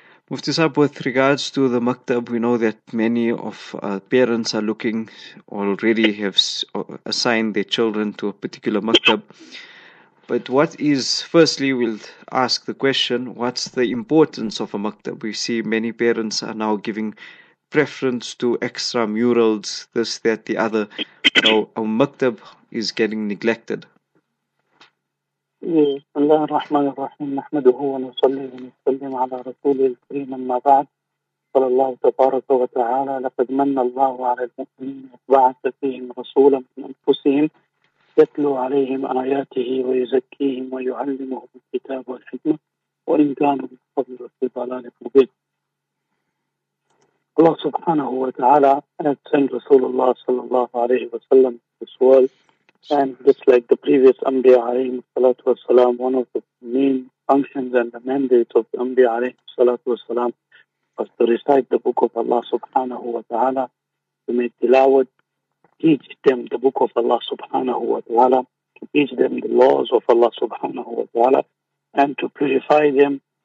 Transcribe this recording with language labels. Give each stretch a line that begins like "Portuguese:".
English: Mufti Sahab, with regards to the Maktab, we know that many of parents are looking, already have assigned their children to a particular Maktab. But what is, firstly, we'll ask the question, what's the importance of a Maktab? We see many parents are now giving preference to extra murals, this, that, the other. So a Maktab is getting neglected.
Arabic: بسم الله الرحمن الرحيم نحمده ونصلي ونسلم على رسوله الكريم أما بعد قال الله تبارك وتعالى لقد من الله على المؤمنين وبعث فيهم رسولا من أنفسهم يتلو عليهم آياته ويزكيهم ويعلمهم الكتاب والحكمة وإن كانوا من قبل في ضلال مبين الله سبحانه وتعالى أرسل رسول الله صلى الله عليه وسلم بسؤال.
English: And just like the previous Anbiya alayhi salatu wasalam, one of the main functions and the mandates of the Anbiya alayhi salatu wasalam was to recite the book of Allah subhanahu wa ta'ala, to make tilawat, teach them the book of Allah subhanahu wa ta'ala, to teach them the laws of Allah subhanahu wa ta'ala, and to purify them,